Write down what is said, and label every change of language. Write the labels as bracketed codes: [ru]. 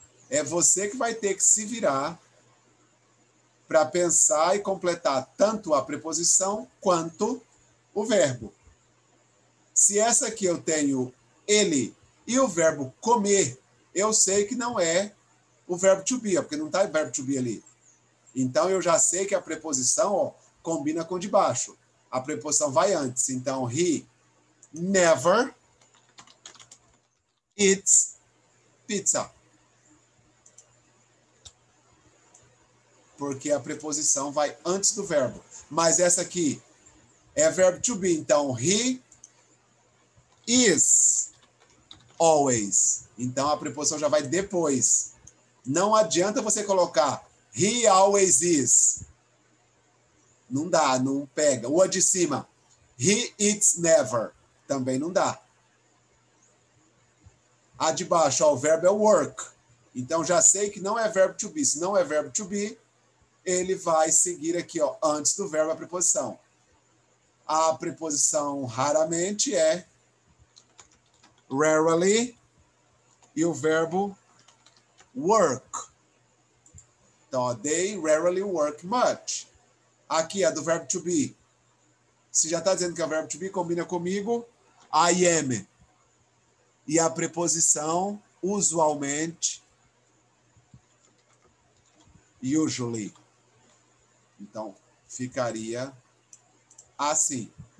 [pt] É você que vai ter que se virar para pensar e completar tanto a preposição quanto o verbo. Se essa aqui eu tenho ele e o verbo comer, eu sei que não é o verbo to be, porque não está o verbo to be ali. Então, eu já sei que a preposição, ó, combina com o de baixo. A preposição vai antes. Então, [en] he never eats pizza. [pt] Porque a preposição vai antes do verbo. Mas essa aqui é verbo to be. Então, [en] he is always. [pt] Então, a preposição já vai depois. Não adianta você colocar [en] he always is. [pt] Não dá, não pega. O de cima, [en] he eats never. [pt] Também não dá. A de baixo, ó, o verbo é work. Então, já sei que não é verbo to be. Se não é verbo to be, ele vai seguir aqui, ó, antes do verbo, a preposição. A preposição raramente é rarely e o verbo work. Então, ó, [en] they rarely work much. [pt] Aqui é do verbo to be. Se já está dizendo que é o verbo to be, combina comigo. [en] I am. [pt] E a preposição, usualmente, usually. Então, ficaria assim.